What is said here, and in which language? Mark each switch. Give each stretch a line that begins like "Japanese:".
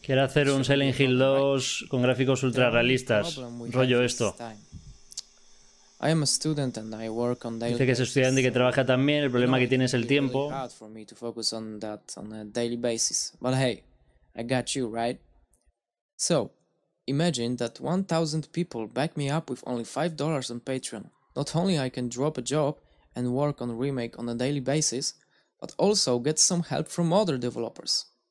Spanish: Quiero hacer un Silent Hill 2 con gráficos ultra realistas. Rollo esto.
English: I am a student and I work on daily basis.
Spanish: Dice que es estudiante y que trabaja también, el problema que tiene es el tiempo.
English: It's hard for me to focus on that on a daily basis. But hey, I got you, right? So, imagine that 1,000 people back me up with only $5 on Patreon. Not only I can drop a job and work on a remake on a daily basis, but also get some help from other developers.